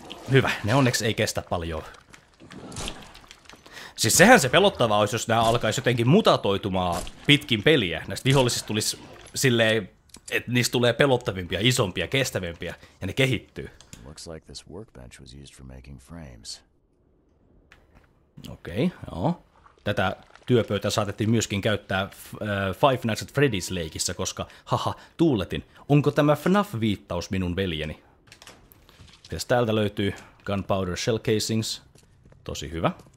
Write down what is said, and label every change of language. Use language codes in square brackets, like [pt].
[fi] Hyvä, ne onneksi ei kestä paljon. Siis sehän se pelottava olisi, jos nää alkaisi jotenkin mutatoitumaan pitkin peliä. Näistä vihollisista tulisi silleen, että niistä tulee pelottavimpia, isompia, kestävimpiä, ja ne kehittyy. [en] Looks like this workbench was used for making frames. [fi] Okei, joo. Tätä työpöytää saatettiin myöskin käyttää Five Nights at Freddy's -leikissä, koska haha, tuuletin. Onko tämä FNAF-viittaus minun veljeni? Mitäs täältä löytyy? [en] Gunpowder shell casings. [fi] Tosi hyvä.